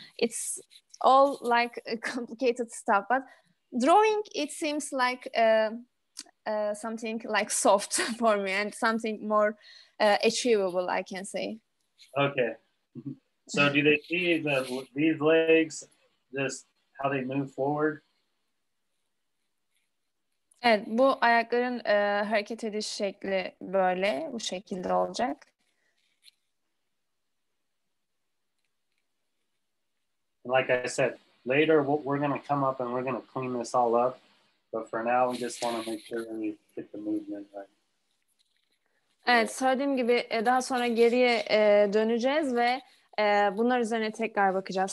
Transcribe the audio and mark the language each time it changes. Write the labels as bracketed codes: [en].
[en] It's all like complicated stuff. But drawing, it seems like something like soft for me and something more achievable, I can say. Okay. So do they see the these legs, this how they move forward? [tr] Evet, bu ayakların hareket ediş şekli böyle, bu şekilde olacak. [en] Like I said, later we're going to come up and we're going to clean this all up. But for now, we just want to make sure that we get the movement right. [tr] Evet, söylediğim gibi daha sonra geriye döneceğiz ve bunlar üzerine tekrar bakacağız.